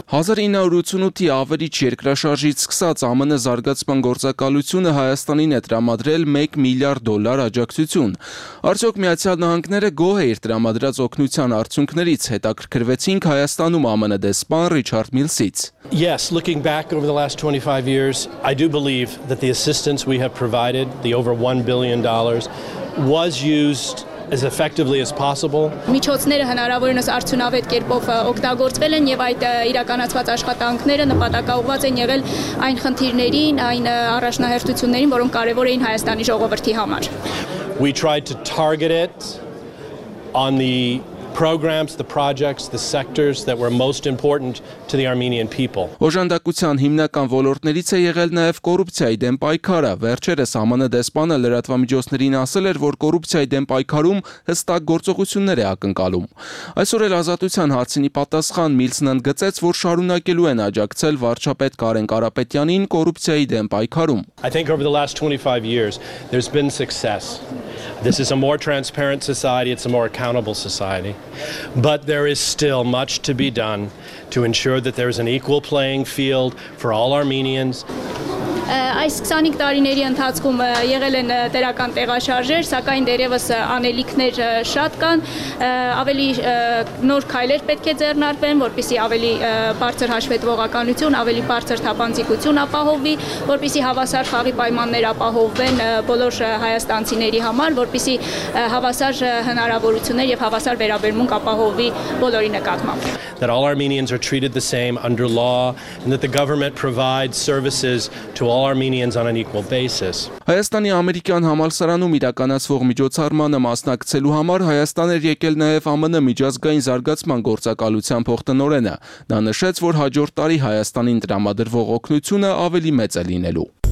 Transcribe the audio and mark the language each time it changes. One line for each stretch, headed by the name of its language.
Armenian: 1988-ի ավերիչ երկրաշարժից սկսած ԱՄՆ զարգացման գործակալությունը Հայաստանին է տրամադրել 1 միլիարդ դոլար աջակցություն։ Արդյոք Միացյալ Նահանգները գոհ է իր տրամադրած օգնության արդյունքներից հետաքրքրվեցինք Հայաստանում ԱՄՆ դեսպան Ռիչարդ Միլսից։
English: Yes, looking back over the last 25 years, I do believe that the assistance we have provided, the over $1 billion, was used as effectively as possible.
Armenian: Միջոցները հնարավորինս արդյունավետ կերպով օգտագործվել են եւ այդ իրականացված աշխատանքները նպատակաուղված են եղել այն խնդիրներին, այն առաջնահերթություններին, որոնք կարևոր էին Հայաստանի ժողովրդի համար.
English: We tried to target it on the programs, the projects, the sectors that were most important to the Armenian people.
Armenian: Օժանդակության հիմնական ոլորտներից է եղել նաև կոռուպցիայի դեմ պայքարը։ Վերջերս ԱՄՆ դեսպանը լրատվամիջոցներին ասել էր, որ կոռուպցիայի դեմ պայքարում հստակ գործողություններ է ակնկալում։ Այսօր էլ ազատության հարցինի պատասխան Միլսն ընդգծեց, որ շարունակելու են աջակցել վարչապետ Կարեն Կարապետյանին կոռուպցիայի դեմ պայքարում։
English: I think over the last 25 years there's been success. This is a more transparent society, it's a more accountable society. But there is still much to be done to ensure that there is an equal playing field for all Armenians.
Armenian: Այս 25 տարիների ընթացքում եղել են տերական տեղաշարժեր, սակայն դեռևս անելիքներ շատ կան, ավելի նոր քայլեր պետք է ձեռնարկվեն, որպեսզի ավելի բարձր հաշվետվողականություն, ավելի բարձր թափանցիկություն ապահովվի, որպեսզի հավասար խաղի պայմաններ ապահովվեն բոլոր հայաստանցիների համար, որպեսզի հավասար հնարավորություններ եւ հավասար վերաբերմունք ապահովվի բոլորի նկատմամբ.
English: That all Armenians are treated the same under law and that the government provides services to all Armenians on an equal basis.
Armenian: Հայաստանի ամերիկյան համալսարանում իրականացվող միջոցառմանը մասնակցելու համար Հայաստան էր եկել նաև ԱՄՆ միջազգային զարգացման գործակալության փոխտնօրենը։ Նա նշեց, որ հաջորդ տարի Հայաստանին տրամադրվող օգնությունը ավելի մեծ է լինելու։